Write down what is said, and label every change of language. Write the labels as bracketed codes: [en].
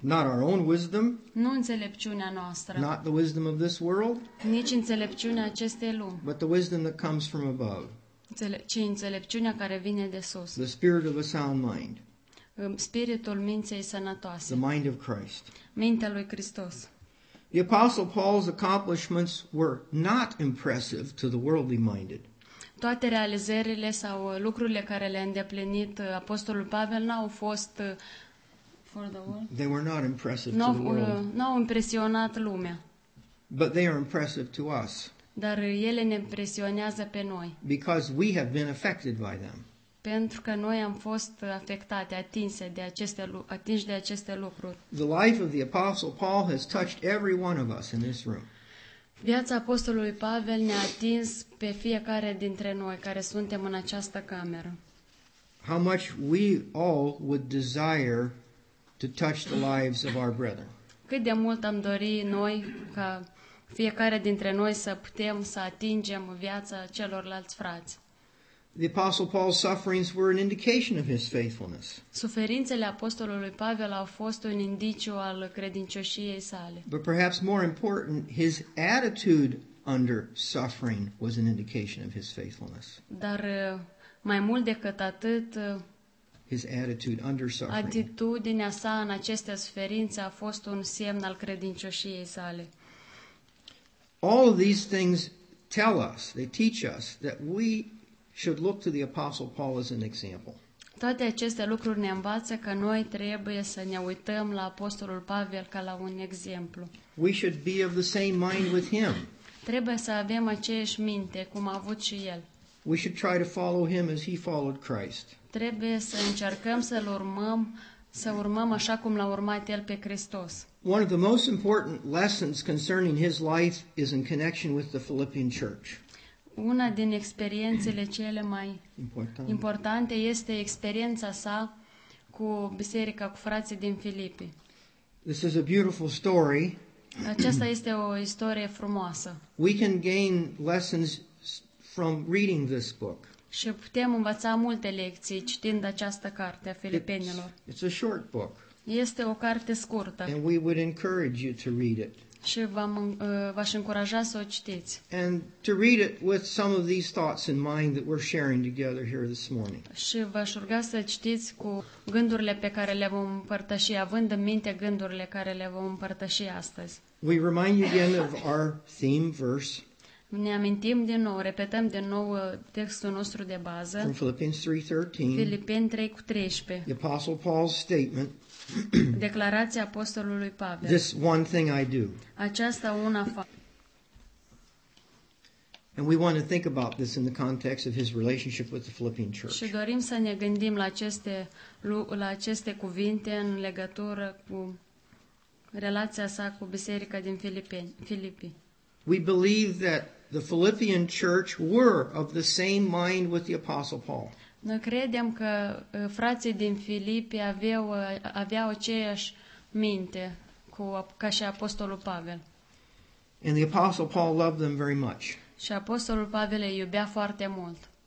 [en] Not our own wisdom. [ro] Nu înțelepciunea noastră. [en] Not the wisdom of this world. [ro] Nici înțelepciunea acestei lumi. [en] But the wisdom that comes from above. [ro] Ci înțelepciunea care vine de sus. [en] The spirit of a sound mind. [ro] Spiritul minței sănătoase. [en] The mind of Christ. [ro] Mintea lui Hristos. [en] The apostle Paul's accomplishments were not impressive to the worldly minded. [ro] Toate realizările sau lucrurile care le-a îndeplinit apostolul Pavel n-au fost [en] for the world. They were not impressive to the world. [ro] N-au impresionat lumea. [en] But they are impressive to us. [ro] Dar ele ne impresionează pe noi. [en] Because we have been affected by them. [ro] Pentru că noi am fost afectate, atinse de aceste atinși de aceste lucruri. [en] The life of the apostle Paul has touched every one of us in this room. [ro] Viața apostolului Pavel ne-a atins pe fiecare dintre noi care suntem în această cameră. [en] How much we all would desire to touch the lives of our brethren. [ro] Cât de mult am dori noi ca fiecare dintre noi să putem să atingem viața celorlalți frați. [en] The apostle Paul's sufferings were an indication of his faithfulness. [ro] Suferințele apostolului Pavel au fost un indiciu al credincioșiei sale. [en] But perhaps more important, his attitude under suffering was an indication of his faithfulness. [ro] Dar mai mult decât atât, [en] his attitude under suffering. [ro] Atitudinea sa în aceste suferințe a fost un semn al credincioșiei sale. [en] All of these things tell us, they teach us that we should look to the apostle Paul as an example. [ro] Toate aceste lucruri ne învață că noi trebuie să ne uităm la apostolul Pavel ca la un exemplu. [en] We should be of the same mind with him. [ro] Trebuie să avem aceeași minte cum a avut și el. [en] We should try to follow him as he followed Christ. [ro] Trebuie să încercăm să urmăm așa cum l-a urmat el pe Hristos. [en] One of the most important lessons concerning his life is in connection with the Philippian church. [ro] Una din experiențele cele mai importante este experiența sa cu biserica, cu frații din Filipi. [en] This is a beautiful story. [ro] Aceasta este o istorie frumoasă. [en] We can gain lessons from reading this book. [ro] Și putem învăța multe lecții citind această carte a Filipenilor. [en] It's a short book. [ro] Este o carte scurtă. [en] And we would encourage you to read it. [ro] Și v-aș încuraja să o citiți. [en] And to read it with some of these thoughts in mind that we're sharing together here this morning. [ro] Și v-aș ruga să citiți cu gândurile pe care le vom împărtăși, având în minte gândurile care le vom împărtăși astăzi. [en] We remind you again of our theme verse. [ro] Ne amintim din nou, repetăm din nou textul nostru de bază. [en] From Philippians 3:13. [ro] Filipeni 3:13. [en] The Apostle Paul's statement. [ro] Declarația apostolului Pavel. [en] This one thing I do. [ro] Aceasta una fac. [en] And we want to think about this in the context of his relationship with the Philippian church. [ro] Și dorim să ne gândim la aceste cuvinte în legătură cu relația sa cu biserica din Filipi. [en] We believe that the Philippian church were of the same mind with the Apostle Paul. [ro] Noi credem că frații din Filipi aveau aceeași minte ca și Apostolul Pavel. [en] And the Apostle Paul loved them very much. [ro] Și Apostolul Pavel îi iubea foarte mult.